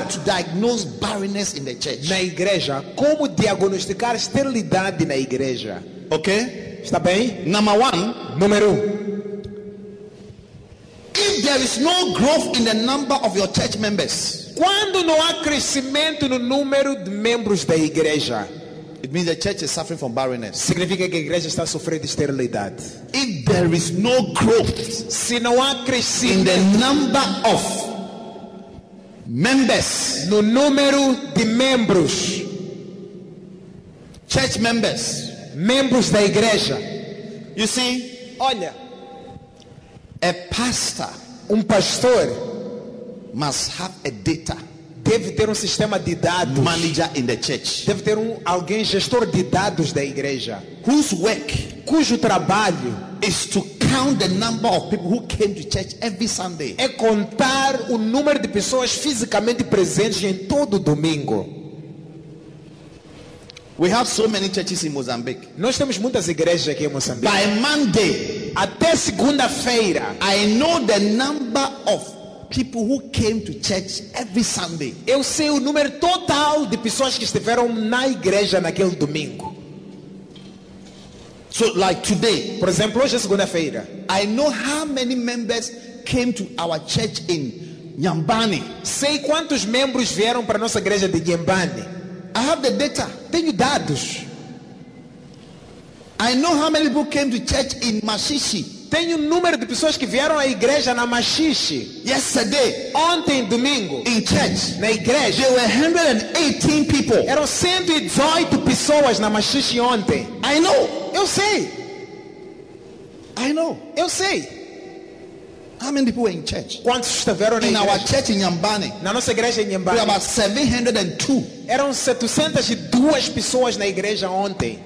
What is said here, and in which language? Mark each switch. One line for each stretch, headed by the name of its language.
English: how to diagnose barrenness in the church.
Portuguese: Na igreja, como diagnosticar esterilidade na igreja.
English: Okay?
Portuguese: Está bem?
English: Number one,
Portuguese: número um.
English: If there is no growth in the number of your church members,
Portuguese: quando não há crescimento no número de membros da igreja,
English: it means the church is suffering from barrenness.
Portuguese: Significa que a igreja está sofrendo esterilidade.
English: If there is no growth,
Portuguese: se não há crescimento
English: in the number of members,
Portuguese: no número de membros,
English: church members,
Portuguese: membros da igreja,
English: you see,
Portuguese: olha,
English: a pastor,
Portuguese: pastor
English: must have a data.
Portuguese: Deve ter sistema de dados.
English: Manager in the church.
Portuguese: Deve ter alguém gestor de dados da igreja.
English: Whose work?
Portuguese: Cujo trabalho
English: is to count the number of people who came to church every Sunday.
Portuguese: É contar o número de pessoas fisicamente presentes em todo domingo.
English: We have so many churches in Mozambique.
Portuguese: Nós temos muitas igrejas aqui em Moçambique.
English: By Monday,
Portuguese: até segunda-feira,
English: I know the number of people who came to church every Sunday.
Portuguese: Eu sei o número total de pessoas que estiveram na igreja naquele domingo.
English: So like today,
Portuguese: por exemplo, hoje é segunda-feira.
English: I know how many members came to our church in Nyambane.
Portuguese: Sei quantos membros vieram para a nossa igreja de Nyambane.
English: I have the data.
Portuguese: Tenho dados.
English: I know how many people came to church in Masisi.
Portuguese: Tenho o número de pessoas que vieram à igreja na Masisi.
English: Yesterday,
Portuguese: ontem domingo,
English: in church,
Portuguese: na igreja,
English: there were 118 people.
Portuguese: Eram 118 pessoas na Masisi ontem.
English: I know.
Portuguese: Eu sei.
English: I know.
Portuguese: Eu sei.
English: How many people were in church?
Portuguese: Quantos estiveram
English: in our church in Nyambane?
Portuguese: Na nossa igreja em Nyambane.
English: We about 702.
Portuguese: Eram 702 pessoas na igreja ontem.